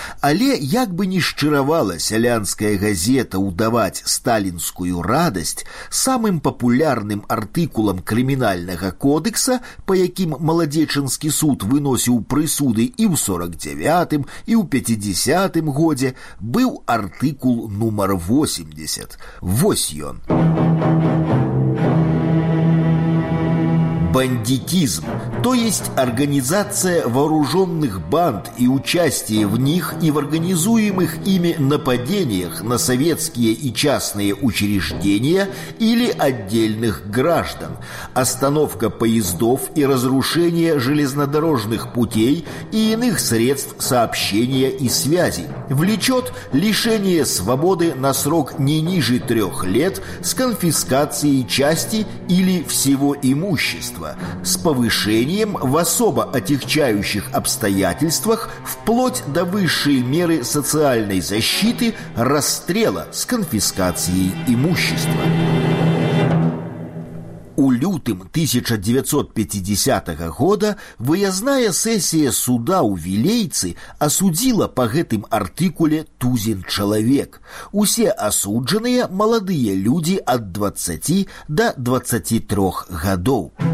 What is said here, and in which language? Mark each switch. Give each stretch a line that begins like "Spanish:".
Belarusian: Але як бы ні шчыравала сялянская газета ўдаваць сталінскую радасць, самым папулярным артыкулам крымінальнага кодэкса, па якім маладзечынскі суд выносіў прысуды і ў 49-м, і ў 50-м годзе быў артыкул нумар 80. Вось ён.
Russian: Бандитизм, то есть организация вооруженных банд и участие в них и в организуемых ими нападениях на советские и частные учреждения или отдельных граждан, остановка поездов и разрушение железнодорожных путей и иных средств сообщения и связи, влечет лишение свободы на срок не ниже 3 лет с конфискацией части или всего имущества, с повышением в особо отягчающих обстоятельствах вплоть до высшей меры социальной защиты расстрела с конфискацией имущества.
Belarusian: У лютым 1950 года выязная сесія суда ў Вілейцы асудзіла па гэтым артыкуле 1000 чалавек. Усе асуджаныя маладыя людзі ад 20 до 23 гадоў.